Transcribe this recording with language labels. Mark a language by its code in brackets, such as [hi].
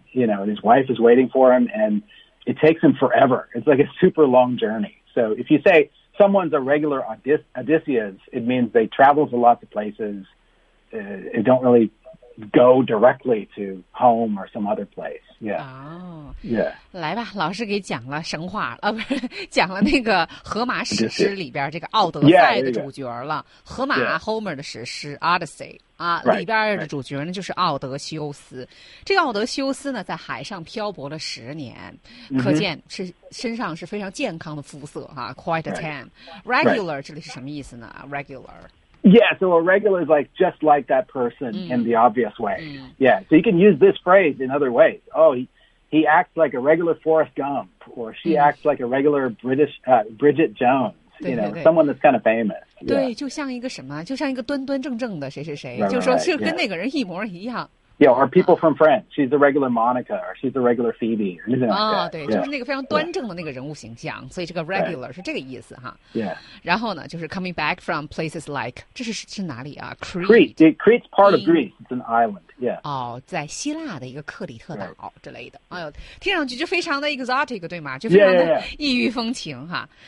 [en] You know, and his wife is waiting for him and it takes him forever. It's like a super long journey. So if you say... Someone's a regular Odysseus, it means they travel to lots of places and don't really go directly to home or some other place. Yeah. Oh. Yeah. [zh] 来吧，老师给讲了神话啊，不是讲了那个荷马史诗里边这个奥德赛的主角了。 [en] Yeah, yeah. [zh] 荷马、 [en] yeah. [zh] Homer 的史诗 Odyssey 啊，里边的主角呢 [en] right. [zh] 就是奥德修斯。这个奥德修斯呢，在海上漂泊了十年， mm-hmm. 可见是身上是非常健康的肤色哈、啊、， [en] quite tan. Right. Regular right. [zh] 这里是什么意思呢 ？Regular. [en] Yeah, so a regular is like just like that person、 mm. in the obvious way.、 Mm. Yeah, so you can use this phrase in other ways. Oh. He acts like a regular Forrest Gump, or she acts like a regular British, Bridget Jones, you [zh] 对对对 [en] know, someone that's kind of famous. [zh] 对、 [en] yeah. [zh] 就像一个什么就像一个端端正正的谁谁谁 [en] right, [zh] 就说 [en] right, [zh] 就跟那个人一模一样。 [en] Yeah, or people from France. She's the regular Monica, or she's the regular Phoebe. 啊、 like oh, [zh] 对、 [en] yeah. [zh] 就是那个非常端正的那个人物形象、 [en] yeah. [zh] 所以这个 regular、 [en] right. [zh] 是这个意思哈。 [en] Yeah. [zh] 然后呢就是 [en] coming back from places like, [zh] 这是哪里啊 [en] Crete. Crete's part of Greece. It's an island. Yeah. [zh] 哦在希腊的一个克里特岛、 [en] right. [zh] 之类的。哎呦听上去就非常的 exotic, 对吗就非常的异域风情哈。